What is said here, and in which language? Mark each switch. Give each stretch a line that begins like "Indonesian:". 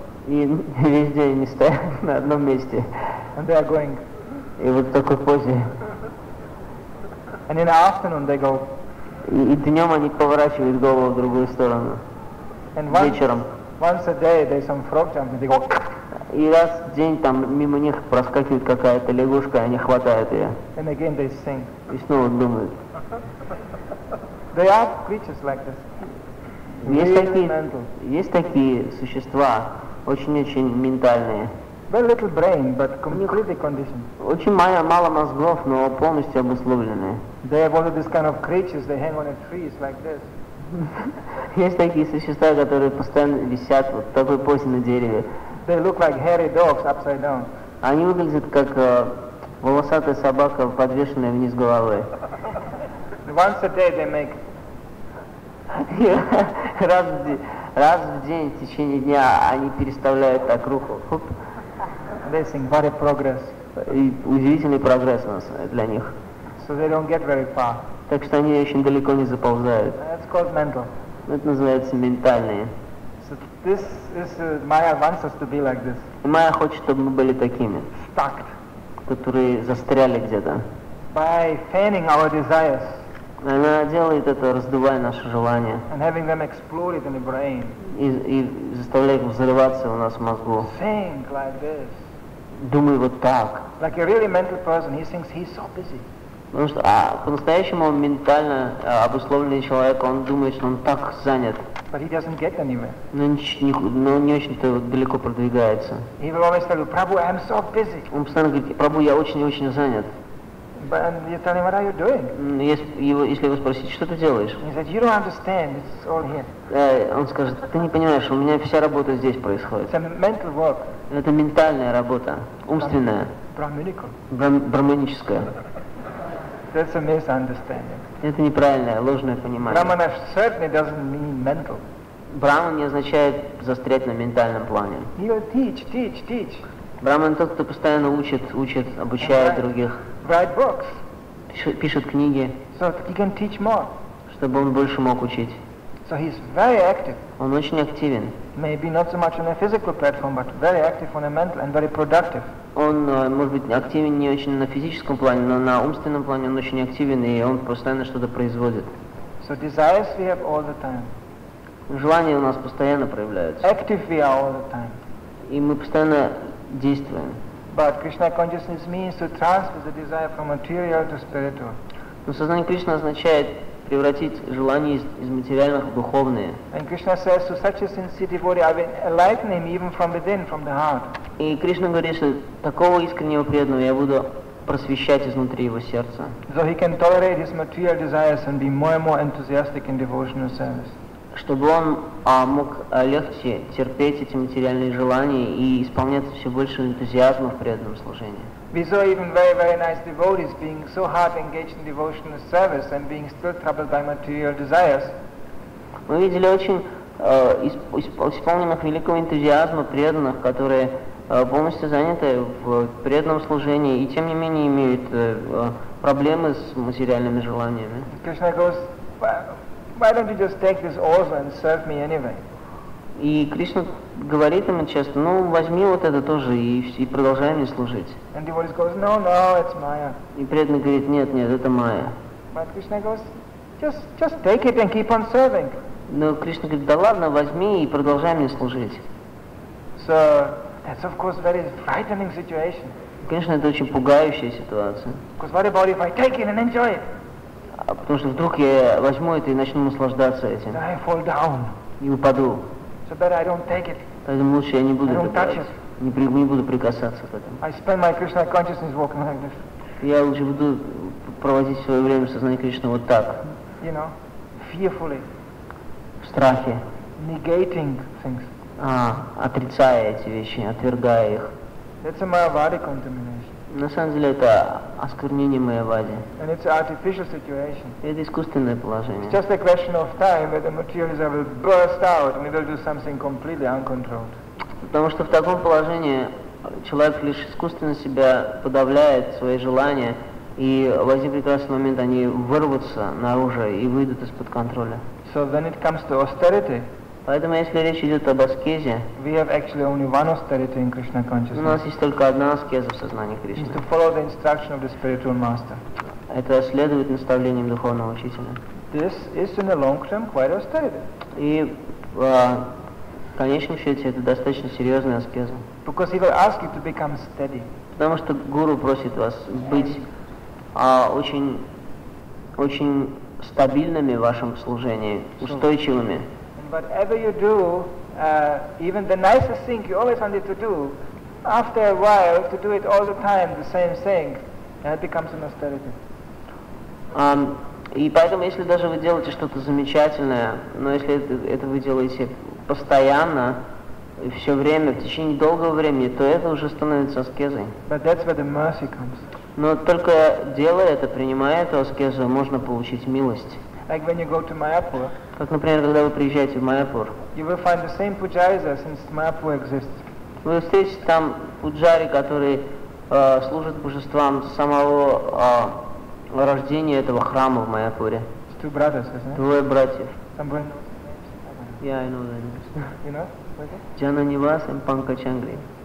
Russian: И весь день они стоят на одном месте.
English: And they are going.
Russian: И вот в такой позе.
English: And in the afternoon they go.
Russian: И днем они поворачивают голову в другую сторону.
English: And once,
Russian: вечером.
English: Once a day they some frog jump and they go.
Russian: И раз в день там мимо них проскакивает какая-то лягушка, и они хватают ее.
English: And again they sing.
Russian: И снова думают.
English: They are creatures like this.
Russian: Есть такие существа, очень-очень ментальные.
English: Very little brain, but completely conditioned.
Russian: Очень мало мозгов, но полностью обусловленные.
English: They have all of these kind of creatures. They hang on the trees like this.
Russian: Есть такие существа, которые постоянно висят вот в такой позе на дереве.
English: They look like hairy dogs upside down.
Russian: Они выглядят как волосатая собака, подвешенная вниз головой.
English: Once a day they make.
Russian: Раз в день, в течение дня, они переставляют так руку.
English: They think very progress.
Russian: И удивительный прогресс у нас для них.
English: So they don't get very far.
Russian: Так что они очень далеко не заползают.
English: It's called mental.
Russian: Это называется ментальные.
English: So this is Maya wants us to be like this.
Russian: И Майя хочет, чтобы мы были такими.
English: Stuck.
Russian: Которые застряли где-то.
English: By fanning our desires.
Russian: Она делает это, раздувая наши желания.
English: And having them explode it in the brain.
Russian: И заставляет их взрываться у нас в мозгу.
English: Think like this.
Russian: Думай вот так.
English: Like a really mental person, he thinks he's so busy.
Russian: Потому что по-настоящему ментально обусловленный человек, он думает, что он так занят.
English: But he doesn't get anywhere.
Russian: Но не очень-то далеко продвигается.
English: He will always tell you, Prabhu, I'm so busy.
Russian: Он постоянно говорит, Прабу, я очень-очень занят.
English: But you tell him, what are you doing?
Russian: Если его спросить, что ты делаешь?
English: He said, you don't understand, it's all here.
Russian: Он скажет, ты не понимаешь, у меня вся работа здесь происходит.
English: It's a mental work.
Russian: Это ментальная работа, умственная. Брахманическая.
English: That's a misunderstanding.
Russian: Это неправильное, ложное понимание.
English: Brahmana certainly doesn't mean mental.
Russian: Brahman не означает застрять на ментальном плане.
English: He will teach.
Russian: Brahman тот, кто постоянно учит, обучает других.
English: Write books.
Russian: Пишет книги.
English: So he can teach more.
Russian: Чтобы он больше мог учить.
English: So he's very active.
Russian: Он очень активен.
English: Maybe not so much on a physical platform, but very active on a mental and very productive.
Russian: Он, может быть, активен не очень на физическом плане, но на умственном плане он очень активен, и он постоянно что-то производит.
English: So desires we have all the time.
Russian: Желания у нас постоянно проявляются.
English: Active we are all the time.
Russian: И мы постоянно действуем.
English: But Krishna consciousness means to transfer the desire from material to spiritual.
Russian: Но сознание Кришны означает превратить желания из материальных в духовные.
English: And Krishna says to such a sincere devotee, I will enlighten him even from within, from the heart.
Russian: И Кришна говорит, что такого искреннего преданного я буду просвещать изнутри его сердца.
English: So he can tolerate his material desires and be more and more enthusiastic in devotional service.
Russian: Чтобы он мог легче терпеть эти материальные желания и исполняться все больше энтузиазма в преданном служении.
English: We saw even very, very nice devotees being so hard engaged in devotional service and being still troubled by material desires.
Russian: Мы видели очень исполненных великого энтузиазма преданных, которые полностью заняты в преданном служении и тем не менее имеют проблемы с материальными желаниями.
English: Krishna goes, why don't you just take this also and serve me anyway?
Russian: И Кришна говорит ему часто, ну возьми вот это тоже и продолжай мне служить.
English: And devotee goes, no, it's Maya.
Russian: И преданный говорит, нет, это Maya.
English: But Krishna goes, just take it and keep on serving.
Russian: Но Кришна говорит, да ладно, возьми и продолжай мне служить.
English: So that's of course very frightening situation.
Russian: Конечно, это очень пугающая ситуация.
English: Because what about if I take it and enjoy it?
Russian: А потому что вдруг я возьму это и начну наслаждаться этим.
English: I fall down.
Russian: И упаду.
English: So better I don't take it.
Russian: Поэтому лучше я не буду это брать. Не буду прикасаться к этому.
English: I spend my Krishna consciousness walking like this.
Russian: Я лучше буду проводить свое время в сознании Кришны вот так.
English: You know, fearfully.
Russian: В страхе.
English: Negating things.
Russian: Отрицая эти вещи, отвергая их.
English: That's a mayavadi contamination.
Russian: На самом деле это осквернение майявади.
English: And it's an artificial situation.
Russian: Это искусственное положение.
English: It's just a question of time where the materialism will burst out and it will do something completely uncontrolled.
Russian: Потому что в таком положении человек лишь искусственно себя подавляет, свои желания, и в один прекрасный момент они вырвутся наружу и выйдут из-под контроля.
English: So when it comes to austerity,
Russian: поэтому если речь идет об аскезе,
English: we have actually only one austerity in Krishna consciousness.
Russian: У нас есть только одна аскеза в сознании Кришны.
English: It's to follow the instruction of the spiritual master.
Russian: Это следовать наставлениям духовного учителя.
English: This is in the long term quite austerity.
Russian: И в конечном счете это достаточно серьезная аскеза.
English: Because he will ask you to become steady.
Russian: Потому что гуру просит вас быть очень стабильными в вашем служении, устойчивыми.
English: Whatever you do, even the nicest thing you always wanted to do, after a while, to do it all the time, the same thing, and it becomes an austerity.
Russian: И поэтому, если даже вы делаете что-то замечательное, но если это вы делаете постоянно, и все время, в течение долгого времени, то это уже становится аскезой.
English: But that's where the mercy comes.
Russian: Но только делая это, принимая эту аскезу, можно получить милость.
English: Like when you go to Mayapur,
Russian: как, например, когда вы приезжаете в Майяпур,
English: you will find the same pujaris since Mayapur exists.
Russian: Вы встретите там пуджари, который служит божествам с самого рождения этого храма в Майяпуре.
English: It's two brothers, isn't it?
Russian: Двое братьев.
English: Somebody? Yeah, I know that. You know?
Russian: Okay. Джана Нивас и Панка Чангри.